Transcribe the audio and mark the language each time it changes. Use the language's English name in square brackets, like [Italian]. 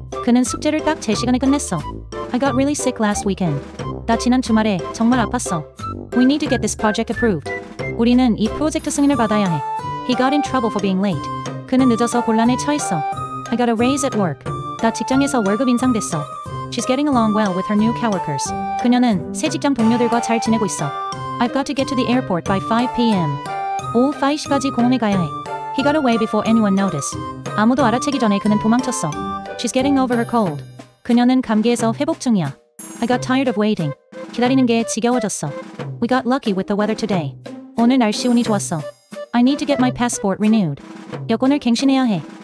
[Korean] 그는 숙제를 딱 제시간에 끝냈어. [English] I got really sick last weekend. [Korean] 나 지난 주말에 정말 아팠어. [English] We need to get this project approved. [Korean] 우리는 이 프로젝트 승인을 받아야 해. [English] He got in trouble for being late. [Korean] 그는 늦어서 곤란에 처했어. [English] I got a raise at work. [Korean] 나 직장에서 월급 인상됐어. [English] She's getting along well with her new coworkers. [Korean] 그녀는 새 직장 동료들과 잘 지내고 있어. [English] I've got to get to the airport by 5 p.m. [Korean] 오후 5시까지 공항에 가야 해. [English] He got away before anyone noticed. [Korean] 아무도 알아채기 전에 그는 도망쳤어. [English] She's getting over her cold. [Korean] 그녀는 감기에서 회복 중이야. [English] I got tired of waiting. [Korean] 기다리는 게 지겨워졌어. [English] We got lucky with the weather today. [Korean] 오늘 날씨 운이 좋았어. [English] I need to get my passport renewed. [Korean] 여권을 갱신해야 해.